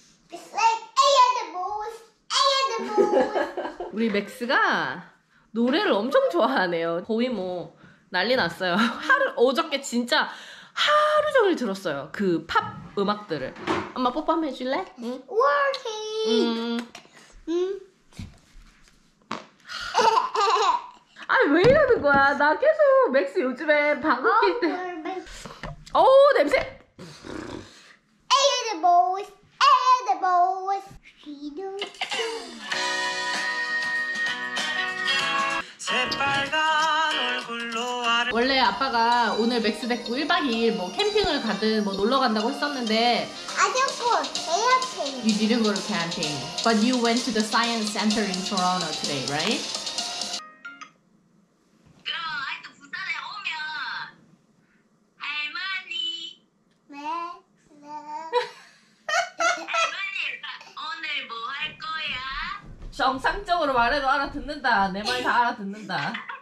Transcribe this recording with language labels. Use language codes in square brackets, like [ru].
[en] It's like animals, animals. [ko] 우리 맥스가 노래를 엄청 좋아하네요. 거의 뭐 난리 났어요. 하루 어저께 진짜 하루 종일 들었어요. 그 팝 음악들을. 엄마 뽀뽀 한번 해줄래? 응. [en] Working. [ko] 아니 왜 이러는 거야? 나 계속 맥스 요즘에 방귀 뀔 때. 오 냄새. [en] Animals, animals. She don't care. [ko] 원래 아빠가 오늘 맥스 데리고 1박 2일 뭐 캠핑을 가든 뭐 놀러 간다고 했었는데 [en] I didn't go camping. You didn't go to camping. But you went to the science center in Toronto today, right? [ko] 그럼 아직도 부산에 오면 아이고 할머니 할아버지 할머니 오늘 뭐 할 거야? 정상적으로 말해도 알아듣는다. 내 말 다 알아듣는다.